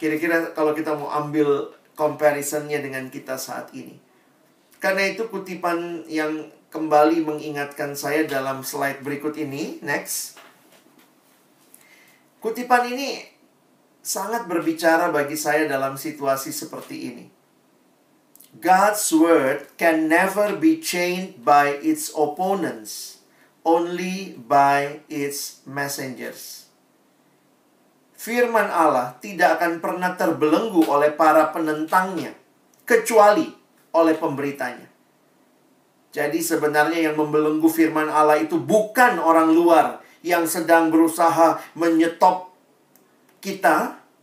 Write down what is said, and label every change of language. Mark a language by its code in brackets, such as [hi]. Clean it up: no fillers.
[id] Kira-kira kalau kita mau ambil comparison-nya dengan kita saat ini. Karena itu kutipan yang kembali mengingatkan saya dalam slide berikut ini, next. Kutipan ini sangat berbicara bagi saya dalam situasi seperti ini. [en] God's word can never be chained by its opponents, only by its messengers. [id] Firman Allah tidak akan pernah terbelenggu oleh para penentangnya, kecuali oleh pemberitanya. Jadi sebenarnya yang membelenggu firman Allah itu bukan orang luar yang sedang berusaha menyetop kita.